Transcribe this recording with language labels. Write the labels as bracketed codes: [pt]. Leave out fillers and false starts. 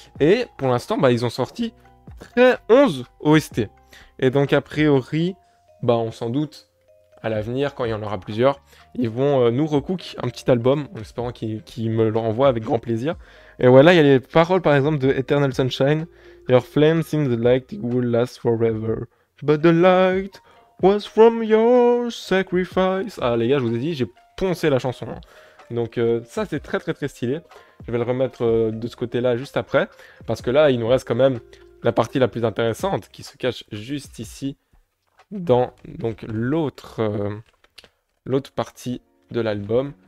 [fr] Et pour l'instant, bah, ils ont sorti 11 OST. Et donc, a priori, bah, on s'en doute, à l'avenir, quand il y en aura plusieurs, ils vont nous recook un petit album, en espérant qu'ils me le renvoient avec grand plaisir. Et voilà, il y a les paroles, par exemple, de Eternal Sunshine. [en] Your flame seems like it will last forever. But the light was from your sacrifice. [fr] Ah, les gars, je vous ai dit, j'ai poncé la chanson. Hein. Donc ça c'est très très très stylé. Je vais le remettre de ce côté-là juste après. Parce que là il nous reste quand même la partie la plus intéressante qui se cache juste ici dans donc l'autre partie de l'album.